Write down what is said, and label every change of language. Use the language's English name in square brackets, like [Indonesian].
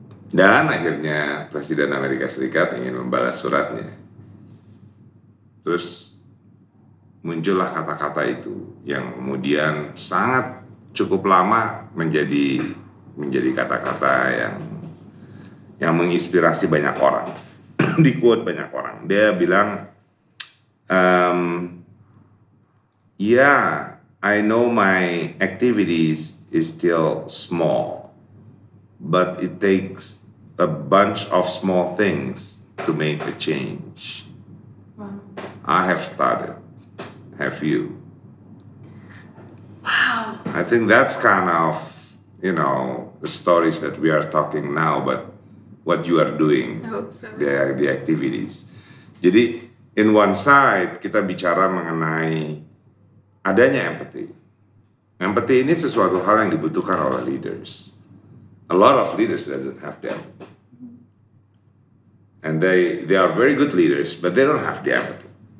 [Indonesian] Dan akhirnya Presiden Amerika Serikat ingin membalas suratnya. Terus muncullah kata-kata itu yang kemudian sangat cukup lama menjadi kata-kata yang menginspirasi banyak orang. [English] Di quote banyak orang, dia bilang, yeah, I know my activities is still small, but it takes a bunch of small things to make a change. Wow. I have started. Have you? Wow. I think that's kind of, you know, the stories that we are talking now, but what you are doing, I hope so. The activities. [Indonesian] Jadi, in one side, kita bicara mengenai adanya empathy. Empathy ini sesuatu hal yang dibutuhkan oleh leaders. [English] A lot of leaders doesn't have the empathy. And they are very good leaders, but they don't have the empathy.